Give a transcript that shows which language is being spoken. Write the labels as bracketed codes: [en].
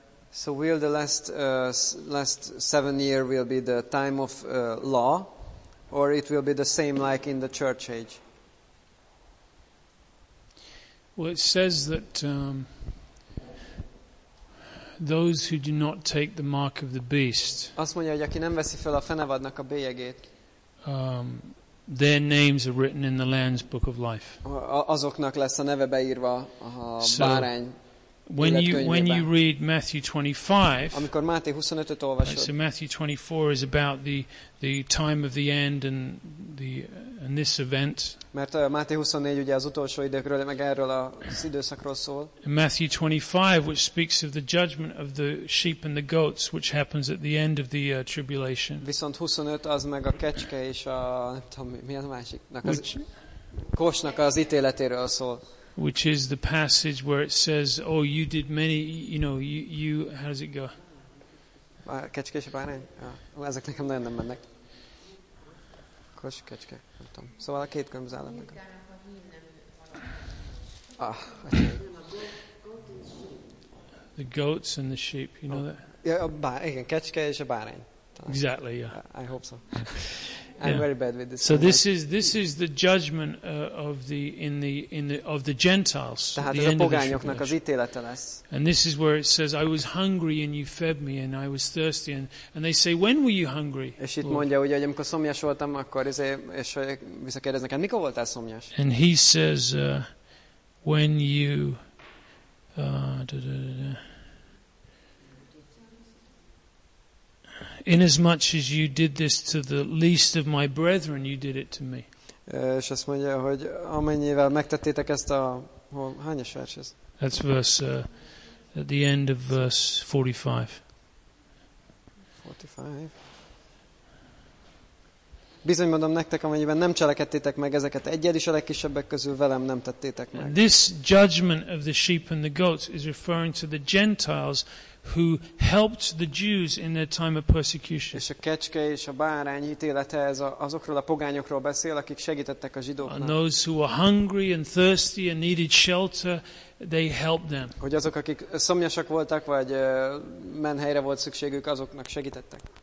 [en] So will the last 7 year will be the time of law, or it will be the same like in the church age? Well, it says that those who do not take the mark of the beast. [hu] Azt mondja, hogy aki nem veszi fel a fenevadnak a bélyegét. [en] Their names are written in the Lamb's Book of Life. [hu] Azoknak lesz a neve beírva a bárány. [en] When you read Matthew 25, [hu] amikor Máté 25-öt olvasod, [en] so Matthew 24 is about the time of the end and this event. [hu] Mert Máté 24 ugye az utolsó időkről, meg erről az időszakról szól. [en] And Matthew 25, which speaks of the judgment of the sheep and the goats, which happens at the end of the tribulation. [hu] Viszont 25 az meg a kecske és a nem tudom, mi a másiknak az kosnak az ítéletéről szól. [en] Which is the passage where it says, oh, you did many, you know, you, how does it go? [hu] Kecske és a bárány? Ezek nekem nagyon nem mennek. Kos, kecske, nem tudom. Szóval a két különböző államnak. [en] The goats and the sheep, you know that? [hu] Igen, kecske és a bárány. [en] Exactly, yeah. I hope so. I'm very bad with this. So this is the judgment of the in the of the Gentiles. [hu] Tehát [en] the [hu] a pogányoknak az ítélete lesz. [en] And this is where it says, I was hungry and you fed me, and I was thirsty, and they say, when were you hungry? [hu] És itt mondja, ugye, hogy amikor szomjas voltam, akkor és visszakérdeznek, mikor voltál szomjas? [en] And he says, when you da-da-da-da. Inasmuch as you did this to the least of my brethren, you did it to me. [hu] És azt mondja, hogy amennyivel megtettétek ezt a hányas vers ez? [en] That's verse at the end of verse 45. [hu] Bizony mondom nektek, amennyiben nem cselekedtétek meg ezeket egyed is a legkisebbek közül velem nem tettétek meg. [en] This judgment of the sheep and the goats is referring to the Gentiles who helped the Jews in their time of persecution. [hu] És a kecske és a bárány ítélete ez azokról a pogányokról beszél, akik segítettek a zsidóknak. [en] And those who were hungry and thirsty and needed shelter, they helped them. [hu] Hogy azok, akik szomjasak voltak vagy menhelyre volt szükségük, azoknak segítettek.